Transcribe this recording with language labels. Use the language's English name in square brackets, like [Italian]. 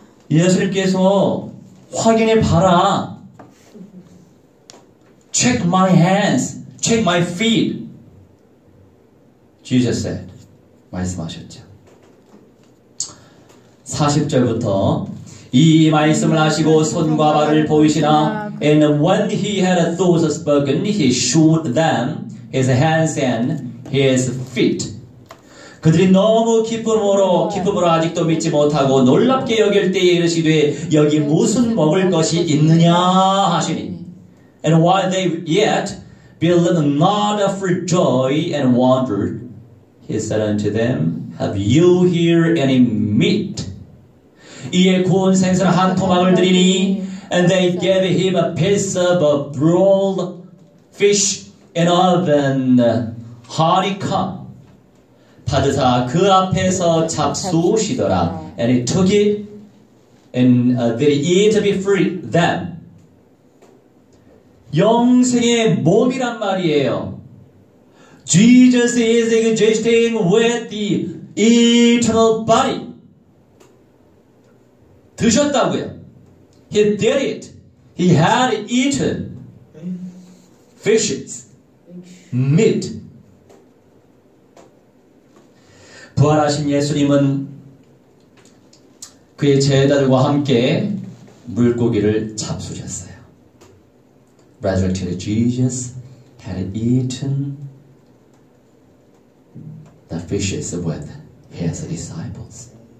[Korean] 예수님께서 확인해 봐라. [English] Check my hands. Check my feet. Jesus said. [Korean] 말씀하셨죠. 40절부터 이 말씀을 하시고 손과 발을 보이시나 [English] And when he had thus spoken, he showed them his hands and his feet. [Korean] 그들이 너무 기쁨으로 아직도 믿지 못하고 놀랍게 여길 때에 이르시되 여기 무슨 먹을 것이 있느냐 하시니 [English] And while they yet believed not for joy and wondered, he said unto them, Have you here any meat? [Korean] 이에 구운 생선 한 토막을 드리니 [English] And they gave him a piece of a broiled fish in an oven hot cup. [Korean] 받으사 그 앞에서 잡수시더라 [English] And he took it and they ate before them. [Korean] 영생의 몸이란 말이에요. [English] Jesus is existing with the eternal body. [Korean] 드셨다고요. [English] He did it. He had eaten fishes, meat. [Korean] 부활하신 예수님은 그의 제자들과 함께 물고기를 잡수셨어요. [English] Resurrected Jesus had eaten the fishes with his disciples.